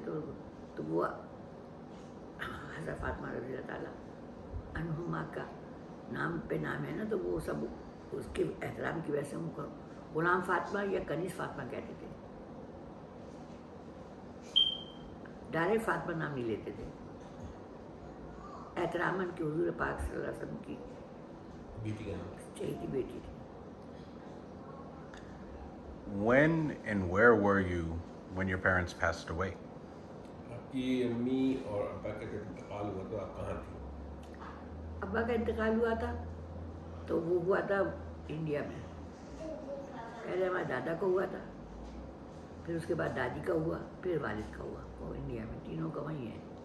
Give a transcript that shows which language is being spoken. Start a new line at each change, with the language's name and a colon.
Hindi: तो वो हज़रत फातिमा रज़ी अल्लाह ताला अन्हुमा का नाम पे नाम है ना, तो वो सब उसके एहतराम की वजह से उनको गुलाम फातिमा या कनीज फातिमा कहते थे. डायरेक्ट फातिमा नाम नहीं लेते थे, एहतरामन के हुजूर पाक सल्लल्लाहु अलैहि वसल्लम की बेटी का नाम चहेती बेटी थी.
English: When and where were you when your parents passed away?
Hindi: आपकी अम्मी और अब्बा का इंतकाल हुआ तो आप कहाँ थी? अब्बा का इंतकाल हुआ था तो वो हुआ था इंडिया में. पहले हमारे दादा को हुआ था, फिर उसके बाद दादी का हुआ, फिर वालिद का हुआ. वो इंडिया में, तीनों का वहीं है.